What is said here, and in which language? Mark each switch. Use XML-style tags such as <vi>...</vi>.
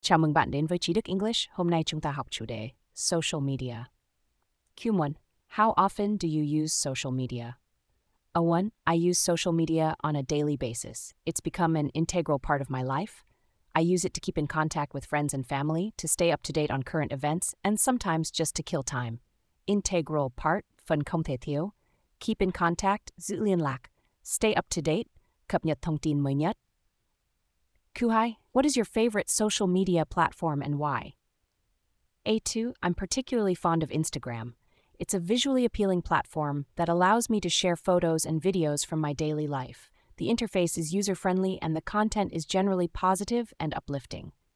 <vi>Chào mừng bạn đến với Trí Đức English. Hôm nay chúng ta học chủ đề Social Media.</vi> <en>Q1. How often do you use social media? A1. I use social media on a daily basis. It's become an integral part of my life. I use it to keep in contact with friends and family, to stay up to date on current events, and sometimes just to kill time.</en> <vi>Integral part, phần không thể thiếu. Keep in contact, giữ liên lạc. Stay up to date, cập nhật thông tin mới nhất.</vi> <en>Q2. What is your favorite social media platform and why? A2. I'm particularly fond of Instagram. It's a visually appealing platform that allows me to share photos and videos from my daily life. The interface is user-friendly and the content is generally positive and uplifting.</en>